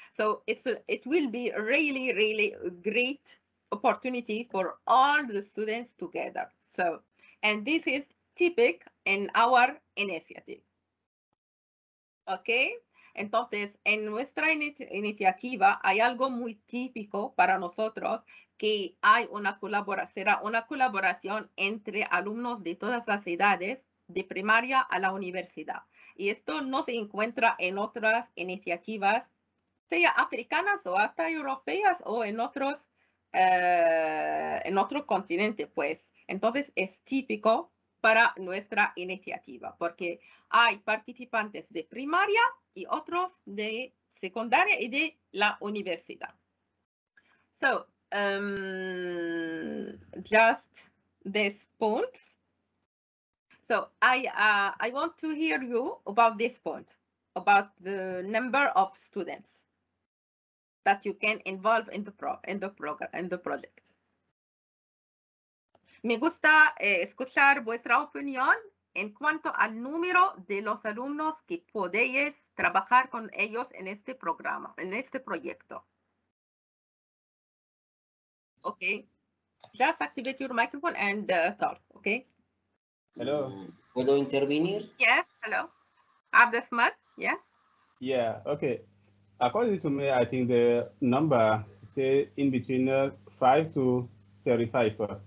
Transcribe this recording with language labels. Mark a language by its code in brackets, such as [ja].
[en] So it will be really, really great opportunity for all the students together. So, and this is typical in our initiative. [es] Okay, entonces, en nuestra iniciativa hay algo muy típico para nosotros, que hay una colaboración entre alumnos de todas las edades, de primaria a la universidad. Y esto no se encuentra en otras iniciativas, sea africanas o hasta europeas o en otro continente, pues. Entonces, es típico para nuestra iniciativa, porque hay participantes de primaria y otros de secundaria y de la universidad. [en] So, just these points. So I want to hear you about this point, about the number of students that you can involve in the project. [es] Me gusta escuchar vuestra opinión en cuanto al número de los alumnos que podéis trabajar con ellos en este programa, en este proyecto. [en] Okay, just activate your microphone and talk, okay? Hello. [es] ¿Puedo intervenir? [en] Yes, hello. Abdesmat, yeah? Yeah, okay. According to me, I think the number, say, in between 5 to 35.